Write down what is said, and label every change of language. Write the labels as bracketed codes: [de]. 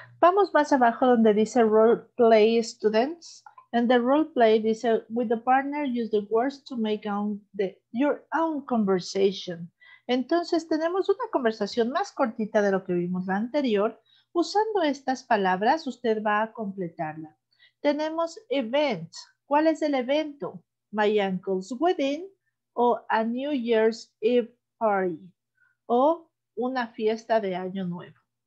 [es] Vamos más abajo donde dice role play students. [en] And the role play dice, with the partner, use the words to make your own conversation. [es] Entonces, tenemos una conversación más cortita de lo que vimos la anterior. Usando estas palabras, usted va a completarla. Tenemos event. ¿Cuál es el evento? [en] My uncle's wedding [es] o [en] a New Year's Eve party [es] o una fiesta de año nuevo.